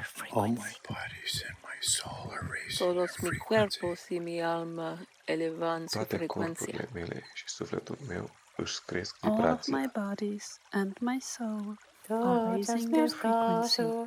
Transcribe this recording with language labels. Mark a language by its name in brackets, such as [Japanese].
[English] All my bodies and my soul are raising. [Spanish] Todos mis cuerpos y mi alma elevan su frecuencia. [Romanian] Toate corpurile mele și sufletul meu își cresc vibrații. [English] All of my bodies and my soul are raising their frequency.